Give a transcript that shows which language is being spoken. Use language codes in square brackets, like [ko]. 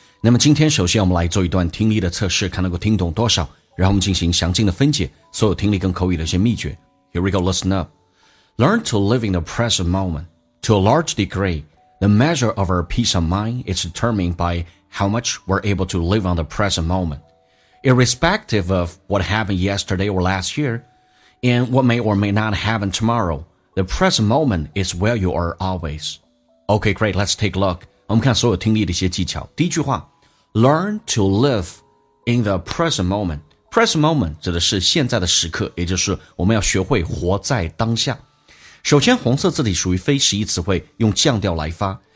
[zh] 那么今天首先我们来做一段听力的测试，看能够听懂多少，然后我们进行详尽的分解所有听力跟口语的一些秘诀。 [en] Here we go, listen up. Learn to live in the present moment. To a large degree, the measure of our peace of mind is determined by how much we're able to live on the present moment. Irrespective of what happened yesterday or last year, and what may or may not happen tomorrow,The present moment is where you are always. Okay, great. Let's take a look. [zh] 我们看所有听力的一些技巧。第一句话 [en] ,learn to live in the present moment. Present moment [zh] 指的是现在的时刻，也就是我们要学会活在当下。首先红色字体属于非实义词汇，用降调来发。